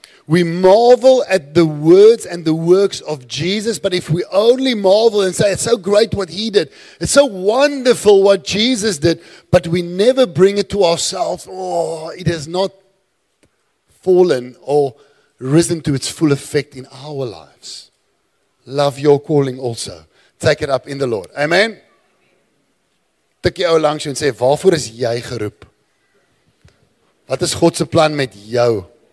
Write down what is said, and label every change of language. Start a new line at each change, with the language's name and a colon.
English: We marvel at the words and the works of Jesus, but if we only marvel and say, it's so great what he did, it's so wonderful what Jesus did, but we never bring it to ourselves, oh, it has not fallen or risen to its full effect in our lives. Love your calling also. Take it up in the Lord. Amen.
Afrikaans: Tik jou langs en sê, waarvoor is jy geroep? Wat is God se plan met jou?